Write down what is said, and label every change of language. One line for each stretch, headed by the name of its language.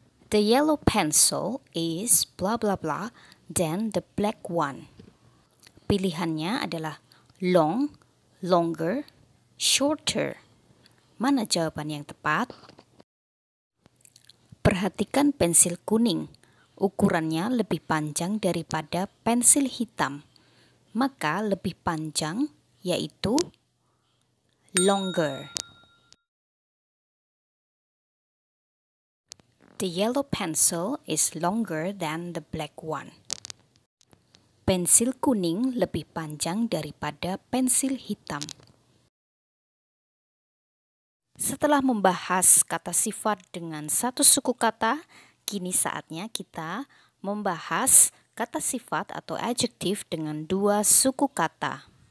English: The yellow pencil is blah blah blah, then the black one.
Indonesian: Pilihannya adalah long, longer, shorter. Mana jawaban yang tepat? Perhatikan pensil kuning. Ukurannya lebih panjang daripada pensil hitam. Maka lebih panjang yaitu longer.
English: The yellow pencil is longer than the black one.
Indonesian: Pensil kuning lebih panjang daripada pensil hitam. Setelah membahas kata sifat dengan satu suku kata, kini saatnya kita membahas kata sifat atau adjective dengan dua suku kata.